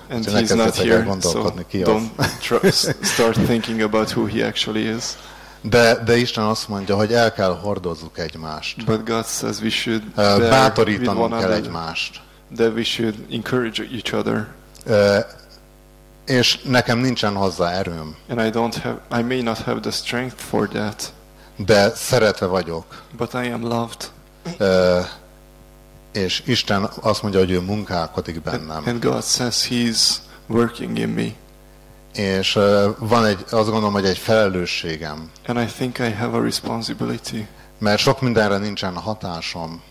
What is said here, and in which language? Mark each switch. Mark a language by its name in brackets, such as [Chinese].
[English] And he's not here, so don't start thinking about who he actually is. [Hungarian] De Isten azt mondja, hogy el kell hordozzuk egymást. [English] But God says we should [Hungarian] bátorítanunk [English] one [Hungarian] kell [English] other, [Hungarian] egymást. [English] That we should encourage each other. [Hungarian] És nekem nincsen hozzá erőm. [English] And I may not have the strength for that. [Hungarian] De szeretve vagyok. [English] But I am loved. [Hungarian] És Isten azt mondja, hogy ő munkálkodik bennem. [English] And God says he's working in me. [Hungarian] És van egy, azt gondolom, hogy egy felelősségem. [English] And I think I have a responsibility. [Hungarian] Mert sok mindenre nincsen hatásom.